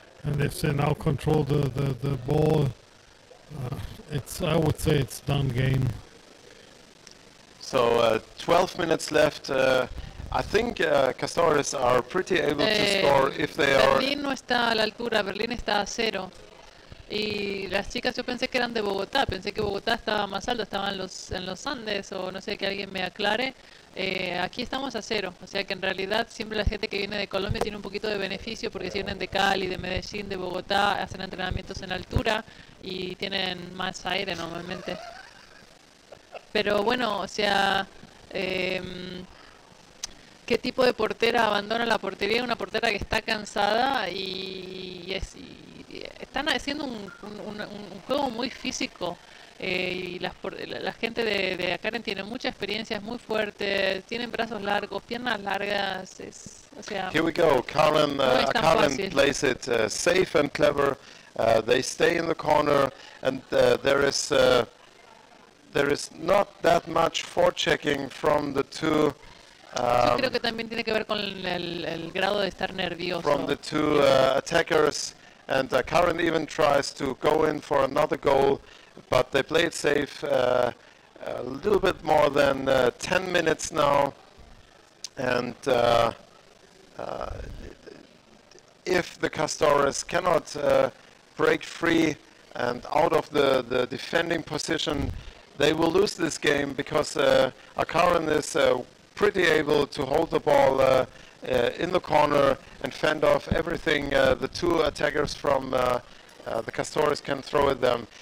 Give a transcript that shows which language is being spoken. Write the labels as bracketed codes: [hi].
[en] And if they now control the ball, I would say it's done game. So 12 minutes left. I think Castores are pretty able to score if they [es] Berlín [en] are. [es] Berlín no está a la altura. Berlín está a cero. Y las chicas, yo pensé que eran de Bogotá. Pensé que Bogotá estaba más alto. Estaban en los Andes, o no sé, que alguien me aclare. Aquí estamos a cero. O sea que en realidad siempre la gente que viene de Colombia tiene un poquito de beneficio, porque si vienen de Cali, de Medellín, de Bogotá, hacen entrenamientos en altura y tienen más aire normalmente. Pero bueno, o sea. ¿Qué tipo de portera abandona la portería? Una portera que está cansada y están haciendo un juego muy físico. Y la gente de Akkaren tiene mucha experiencia, es muy fuerte, tienen brazos largos, piernas largas. [en] Here we go. Karen, Akkaren plays it safe and clever. They stay in the corner, and there is not that much forechecking from the two. [es] Yo creo que también tiene que ver con el grado de estar nervioso. [en] From the two attackers, and Karen even tries to go in for another goal, but they play it safe. A little bit more than 10 minutes now, and if the Castores cannot break free and out of the defending position, they will lose this game, because Akkaren is pretty able to hold the ball in the corner and fend off everything the two attackers from the Castores can throw at them.